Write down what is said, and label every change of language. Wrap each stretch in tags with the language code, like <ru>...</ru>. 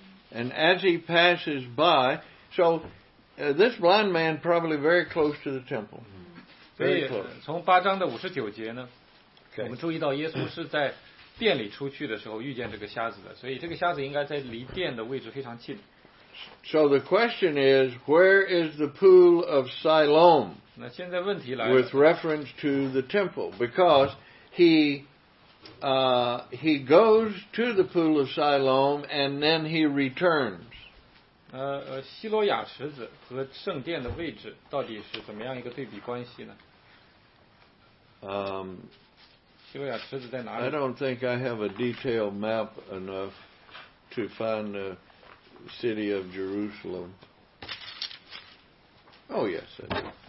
<en>And as he passes by, so this blind man probably very close to the temple. Very close.</en> <zh>从八章的五十九节呢，我们注意到耶稣是在殿里出去的时候遇见这个瞎子的，所以这个瞎子应该在离殿的位置非常近。</zh> <en>So the question is, where is the pool of Siloam?</en> <zh>那现在问题来了。</zh> <en>With reference to the temple, because he goes to the pool of Siloam and then he returns.</en> <zh>希罗亚池子和圣殿的位置到底是怎么样一个对比关系呢？希罗亚池子在哪里？</zh> <en>I don't think I have a detailed map enough to find the city of Jerusalem. Oh yes, I do.</en>